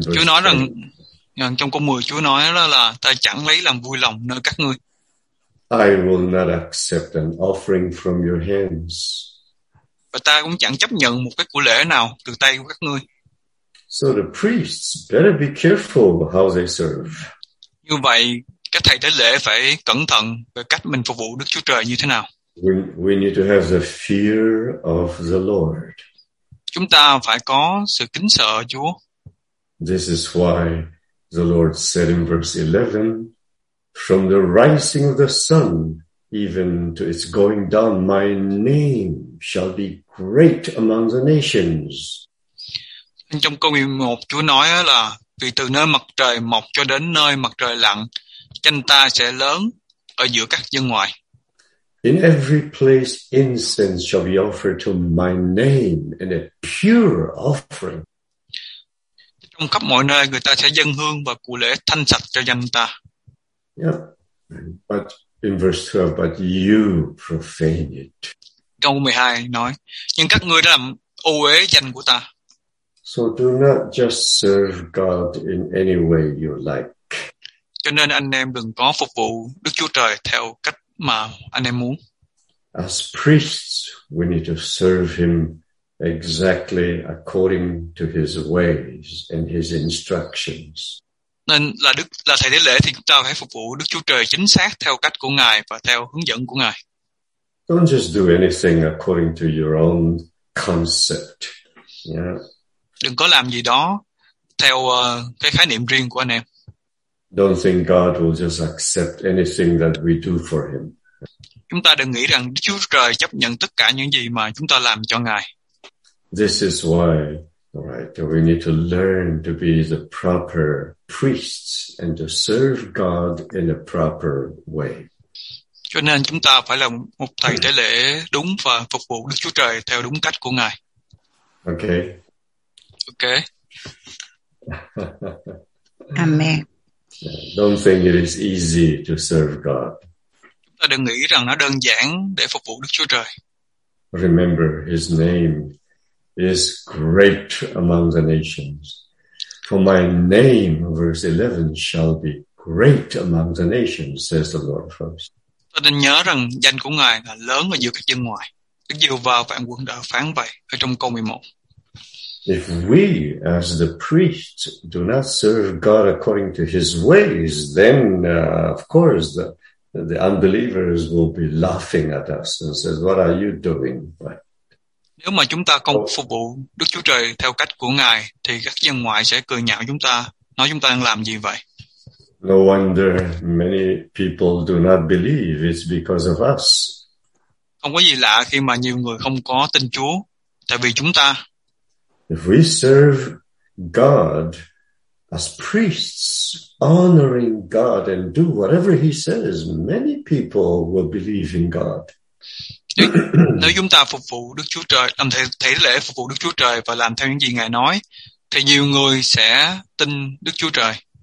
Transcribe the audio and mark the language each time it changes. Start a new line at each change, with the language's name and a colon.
Vietnamese: Chúa nói rằng trong câu 10 Chúa nói là ta chẳng lấy làm vui lòng nơi các ngươi.
English: I will not accept an offering from your hands.
Vietnamese: Và ta cũng chẳng chấp nhận một cái của lễ nào từ tay của các ngươi.
English: So the priests better be careful how they serve.
Vietnamese: Như vậy, các thầy tế lễ phải cẩn thận về cách mình phục vụ Đức Chúa Trời như thế nào.
English: We need to have the fear of the Lord.
Vietnamese: Chúng ta phải có sự kính sợ Chúa.
English: This is why the Lord said in verse 11, from the rising of the sun, even to its going down, my name shall be great among the nations.
Vietnamese: Trong câu 11, Chúa nói là, vì từ nơi mặt trời mọc cho đến nơi mặt trời lặn, danh ta sẽ lớn ở giữa các dân ngoài.
English: In every place, incense shall be offered to my name in a pure offering.
Vietnamese: Trong khắp mọi nơi, người ta sẽ dâng hương và cụ lễ thanh sạch cho danh ta.
English: Yeah, but in verse 12, but you profane it.
Vietnamese: Câu 12 nói, nhưng các ngươi đã làm ô uế danh của ta.
English: So do not just serve God in any way you like.
Vietnamese: Cho nên anh em đừng có phục vụ Đức Chúa Trời theo cách mà anh em muốn.
English: As priests, we need to serve him exactly according to his ways and his instructions.
Vietnamese: Nên là thầy tế lễ thì chúng ta phải phục vụ Đức Chúa Trời chính xác theo cách của Ngài và theo hướng dẫn của Ngài.
English: Don't just do anything according to your own concept. Yeah.
Vietnamese: Đừng có làm gì đó theo cái khái niệm riêng của anh em.
English: Don't think God will just accept anything that we do for him.
Vietnamese: Chúng ta đừng nghĩ rằng Chúa Trời chấp nhận tất cả những gì mà chúng ta làm cho Ngài.
English: This is why, right, that we need to learn to be the proper priests and to serve God in a proper way.
Vietnamese: Cho nên chúng ta phải là một thầy tế lễ đúng và phục vụ Đức Chúa Trời theo đúng cách của Ngài.
English: Okay. Okay. Amen. Don't think it is easy to serve God.
Vietnamese: Ta đừng nghĩ rằng nó đơn giản để phục vụ Đức Chúa Trời.
English: Remember, His name is great among the nations. For my name, verse 11, shall be great among the nations, says the Lord of hosts.
Vietnamese: Ta nên nhớ rằng danh của Ngài là lớn ở giữa các dân ngoài. Đức Giê-hô-va vạn quân đã phán vậy ở trong câu 11.
English: If we, as the priests, do not serve God according to His ways, then, of course, the unbelievers will be laughing at us and says, "What are you doing?" But,
Vietnamese: nếu mà chúng ta không phục vụ Đức Chúa Trời theo cách của Ngài, thì các dân ngoại sẽ cười nhạo chúng ta, nói chúng ta đang làm gì vậy?
English: No wonder many people do not believe. It's because of us.
Vietnamese: Không có gì lạ khi mà nhiều người không có tin Chúa, tại vì chúng ta.
English: If we serve God as priests, honoring God and do whatever He says, many people will believe in God.
Vietnamese: Nếu chúng ta phục vụ Đức Chúa Trời, làm thể lễ phục vụ Đức Chúa Trời và làm theo những gì Ngài nói, thì nhiều người sẽ tin Đức Chúa Trời.